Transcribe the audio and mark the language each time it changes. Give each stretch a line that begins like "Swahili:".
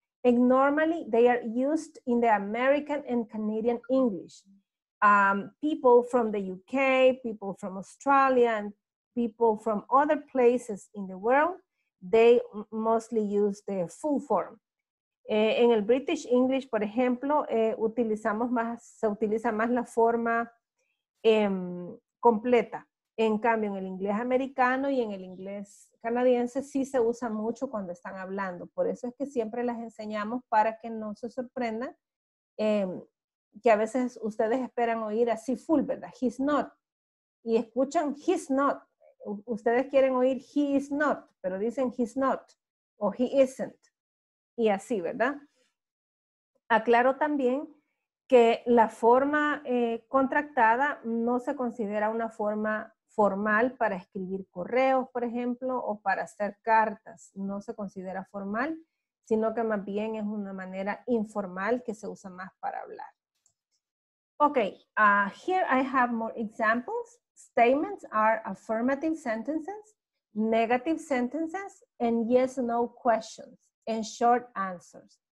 English: And normally they are used in the American and Canadian English. People from the UK, people from Australia, and people from other places in the world, they mostly use the full form.
Spanish: En el British English, por ejemplo, se utiliza más la forma completa. En cambio, en el inglés americano y en el inglés canadiense sí se usa mucho cuando están hablando. Por eso es que siempre las enseñamos para que no se sorprendan que a veces ustedes esperan oír así full, ¿verdad?
English: He's not.
Spanish: Y escuchan he's not. Ustedes quieren oír
English: he is not,
Spanish: pero dicen
English: he's not o he isn't.
Spanish: Y así, ¿verdad? Aclaro también que la forma contractada no se considera una forma formal para escribir correos, por ejemplo, o para hacer cartas. No se considera formal, sino que más bien es una manera informal que se usa más para hablar.
English: Ok, here I have more examples. Statements are affirmative sentences, negative sentences, and yes or no questions, and short answers.